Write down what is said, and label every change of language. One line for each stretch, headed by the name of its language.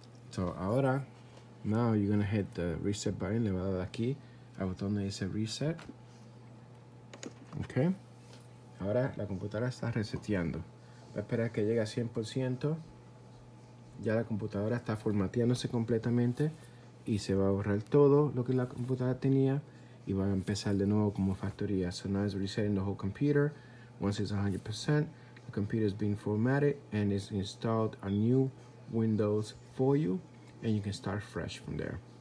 English: So ahora, now you're going to hit the reset button.
Spanish: Le va a dar aquí al botón donde dice reset. Okay. Ahora la computadora está reseteando. Va a esperar que llegue a 100%. Ya la computadora está formateándose completamente y se va a borrar todo lo que la computadora tenía y va a empezar de nuevo como factoría.
English: So now it's resetting the whole computer. Once it's 100%, the computer is being formatted and it's installed a new Windows for you and you can start fresh from there.